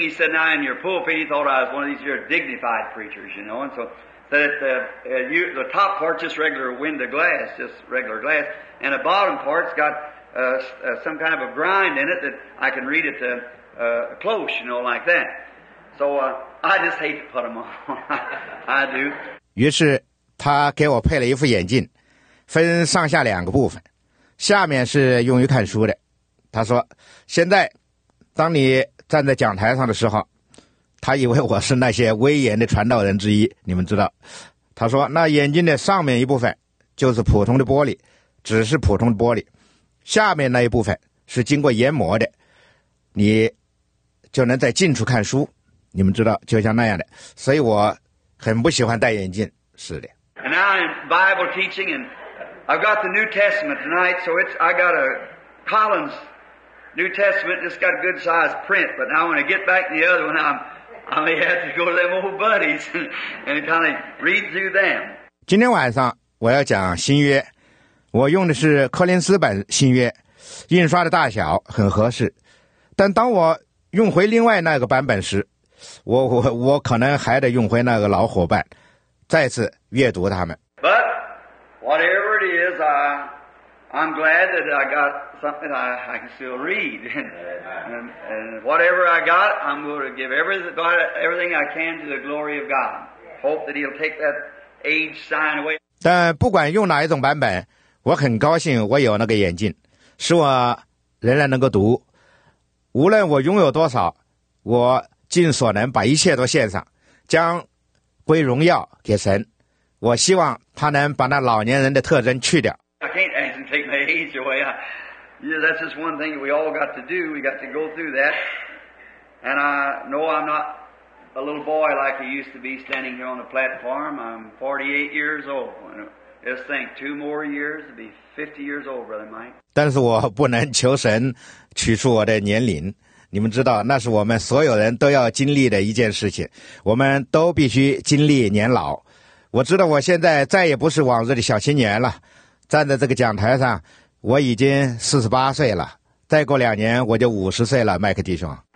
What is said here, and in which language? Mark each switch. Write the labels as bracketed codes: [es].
[en] He said, "Now in your pulpit," he thought I was one of these dignified preachers, you know, and so that the top part just regular window glass, just regular glass, and the bottom part's got some kind of a grind in it that I can read it close, you know, like that. So I just hate to put them on. I do. [zh] 于是他给我配了一副眼镜，分上下两个部分，下面是用于看书的。他说，现在当你站在讲台上的时候，他以为我是那些威严的传道人之一，你们知道。他说，那眼镜的上面一部分就是普通的玻璃，只是普通的玻璃，下面那一部分是经过研磨的，你就能在近处看书，你们知道，就像那样的。所以我很不喜欢戴眼镜，是的。 [en] And now in Bible teaching, and I've got the New Testament tonight, so I got a Collins New Testament, it's got a good size print, but now when I get back to the other one, I may have to go to them old buddies and kind of read through them. [zh] 今天晚上我要讲新约，我用的是柯林斯版新约，印刷的大小很合适，但当我用回另外那个版本时，我可能还得用回那个老伙伴，再次阅读他们。 [en] But whatever it is, I'm glad that I got something I can still read. And whatever I got, I'm going to give everything I can to the glory of God. Hope that He'll take that age sign away. [zh] 但不管用哪一种版本，我很高兴我有那个眼镜，使我仍然能够读。无论我拥有多少，我尽所能把一切都献上，将归荣耀给神。我希望他能把那老年人的特征去掉。 [en] I can't ask him to take my age away. Yeah, that's just one thing we all got to do. We got to go through that. And I know I'm not a little boy like I used to be standing here on the platform. I'm 48 years old. Just think, two more years to be 50 years old, Brother Mike. [zh] 但是我不能求神取出我的年龄。你们知道，那是我们所有人都要经历的一件事情，我们都必须经历年老。我知道我现在再也不是往日的小青年了，站在这个讲台上我已经48岁了，再过两年我就50岁了，麦克弟兄。